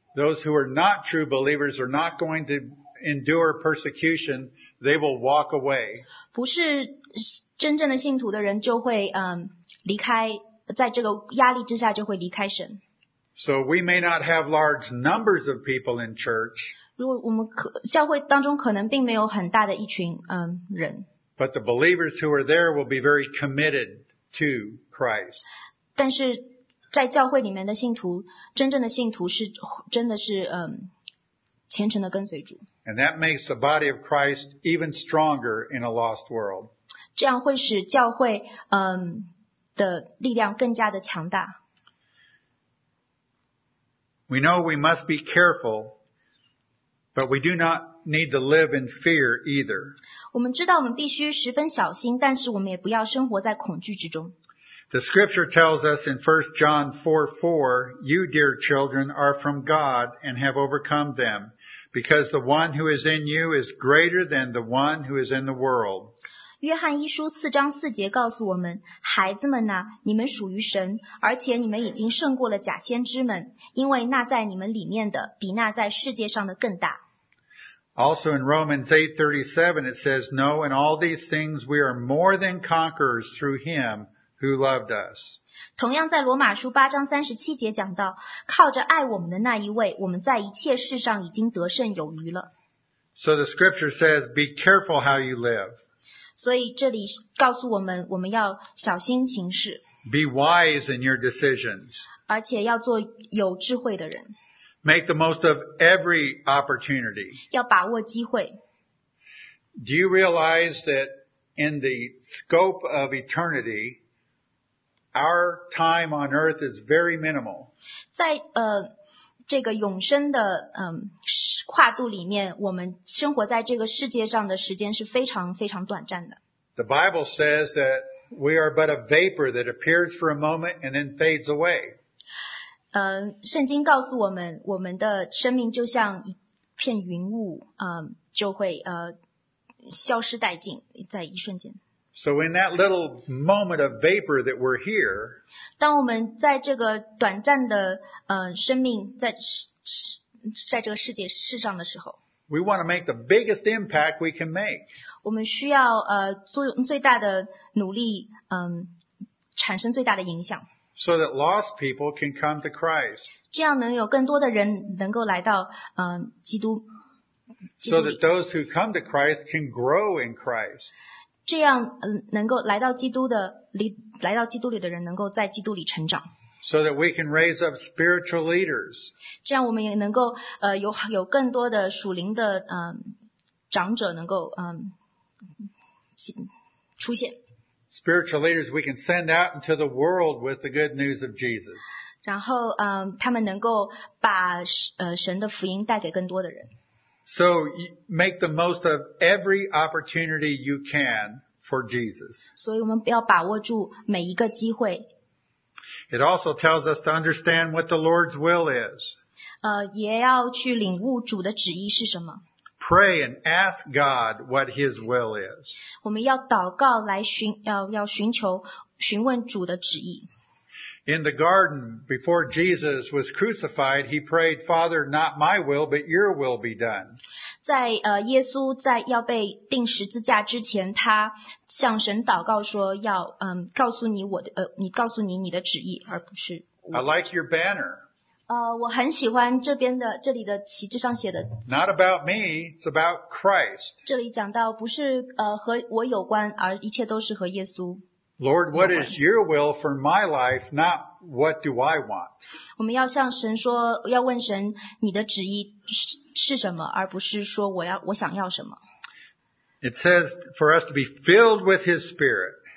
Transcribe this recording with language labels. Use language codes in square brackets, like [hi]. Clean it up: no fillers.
[en] Those who are not true believers are not going to endure persecution. They will walk away. [zh] 不是真正的信徒的人就会离开，在这个压力之下就会离开神。 [en] So we may not have large numbers of people in church. [zh] 如果我们教会当中可能并没有很大的一群人。 [en] But the believers who are there will be very committed to Christ. [zh] 但是在教会里面的信徒，真正的信徒是真的是虔诚的跟随主。 [en] And that makes the body of Christ even stronger in a lost world. [zh] 这样会使教会的力量更加的强大。 [en] We know we must be careful, but we do not need to live in fear either. [zh] 我们知道我们必须十分小心，但是我们也不要生活在恐惧之中。 [en] The scripture tells us in 1 John 4:4, you dear children are from God and have overcome them, because the one who is in you is greater than the one who is in the world. [zh] 约翰一书四章四节告诉我们，孩子们啊，你们属于神，而且你们已经胜过了假先知们，因为那在你们里面的比那在世界上的更大。 [en] Also in Romans 8:37 it says, No, in all these things we are more than conquerors through him who loved us. [zh] 同样在罗马书八章三十七节讲到，靠着爱我们的那一位，我们在一切事上已经得胜有余了。 [en] So the scripture says, be careful how you live. [zh] 所以这里告诉我们，我们要小心行事。 [en] Be wise in your decisions. [zh] 而且要做有智慧的人。 [en] Make the most of every opportunity. [zh] 要把握机会。 [en] Do you realize that in the scope of eternity, our time on earth is very minimal? [zh] 在这个永生的跨度里面，我们生活在这个世界上的时间是非常非常短暂的。 [en] The Bible says that we are but a vapor that appears for a moment and then fades away. [zh] 圣经告诉我们，我们的生命就像一片云雾，就会消失殆尽，在一瞬间。 [en] So in that little moment of vapor that we're here, [zh] 当我们在这个短暂的生命在这个世上的时候， [en] we want to make the biggest impact we can make. [zh] 我们需要做最大的努力，产生最大的影响。 [en] So that lost people can come to Christ. [zh] 这样能有更多的人能够来到基督。 [en] So that those who come to Christ can grow in Christ. [zh] 这样能够来到基督里的人能够在基督里成长。 [en] So that we can raise up spiritual leaders. [zh] 这样我们也能够有更多的属灵的长者能够出现。 [en] Spiritual leaders we can send out into the world with the good news of Jesus. [zh] 然后他们能够把神的福音带给更多的人。 [en] So make the most of every opportunity you can for Jesus. [zh] 所以我们要把握住每一个机会。 [en] It also tells us to understand what the Lord's will is. [zh] 也要去领悟主的旨意是什么。 [en] Pray and ask God what His will is. [zh] 我们要祷告来询问主的旨意。 [en] In the garden, before Jesus was crucified, he prayed, Father, not my will, but your will be done. [zh] 在耶稣在要被钉十字架之前，他向神祷告说，要告诉你我的你告诉你你的旨意，而不是。 [en] I like your banner. [zh] 我很喜欢这里的旗帜上写的。 [en] Not about me, it's about Christ. [zh] 这里讲到不是和我有关，而一切都是和耶稣。 [en] Lord, what is your will for my life, not what do I want? [zh] 我们要向神说，要问神你的旨意是什么，而不是说我想要什么。 [en] It says for us to be filled with His Spirit.